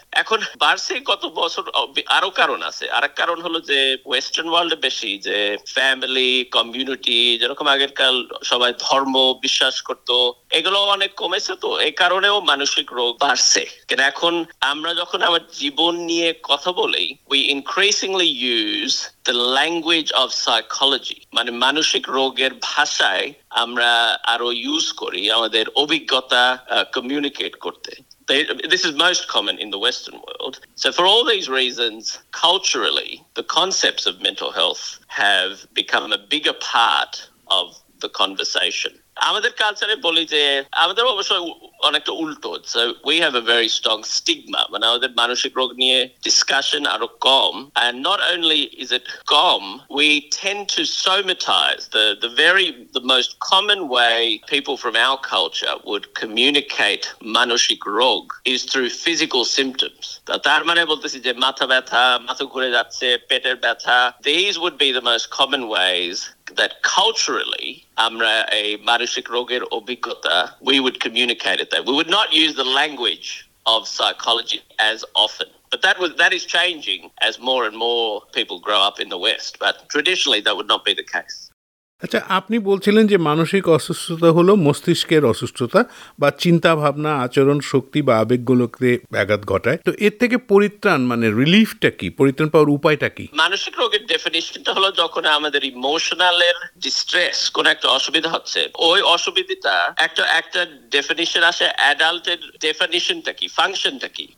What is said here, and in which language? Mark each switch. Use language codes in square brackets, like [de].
[bn] এখন বার্ষে কত বছর আরো কারণ আছে। আরেক কারণ হলো যে ওয়েস্টার্ন ওয়ার্ল্ডে বেশি যে ফ্যামিলি কমিউনিটি, যেরকম আগের কাল সবাই ধর্ম বিশ্বাস করতো, এগুলো অনেক কমেছে, তো এই কারণেও মানসিক রোগ বাড়ছে। কিন্তু এখন আমরা যখন আমার জীবন নিয়ে কথা বলি, [en] we increasingly use the language of psychology, [bn] মানে মানসিক রোগের ভাষায় আমরা আরো ইউজ করি আমাদের অভিজ্ঞতা কমিউনিকেট করতে। [en] This is most common in the Western world. So for all these reasons, culturally, the concepts of mental health have become a bigger part of the conversation. [bn] আমাদের কালচারে বলি যে আমাদের অবশ্যই অনেকটা উল্টো, [en] so we have a very strong stigma, [bn] মানে আমাদের মানসিক রোগ নিয়ে ডিসকাশন আরো কম। [en] and not only is it কম, we tend to somatise, the most common way people from our culture would communicate [bn] মানসিক রোগ [en] Is through physical symptoms. [bn] তার মানে বলতেছি যে মাথা ঘুরে যাচ্ছে, পেটের ব্যথা, [en] this would be the most common ways that culturally [bn] amra a manasik roger obhiggota [en] we would communicate it, that we would not use the language of psychology as often, but that is changing as more and more people grow up in the West, but traditionally that would not be the case. [bn] আচ্ছা, আপনি বলছিলেন যে মানসিক অসুস্থতা হলো মস্তিষ্কের অসুস্থতা বা চিন্তা ভাবনা আচরণ শক্তি বা আবেগগুলোকে ব্যাঘাত ঘটায়, তো এর থেকে পরিত্রাণ মানে রিলিফটা কি, পরিত্রাণ পাওয়ার উপায়টা কি? মানসিক রোগের ডেফিনিশনটা হলো যখন আমাদের ইমোশনালের ডিস্ট্রেস, কোন একটা অসুবিধা হচ্ছে, ওই অসুবিধাটা একটা একটা ডেফিনিশন আসে, অ্যাডাল্টের ডেফিনিশনটা কি, ফাংশনটা কি।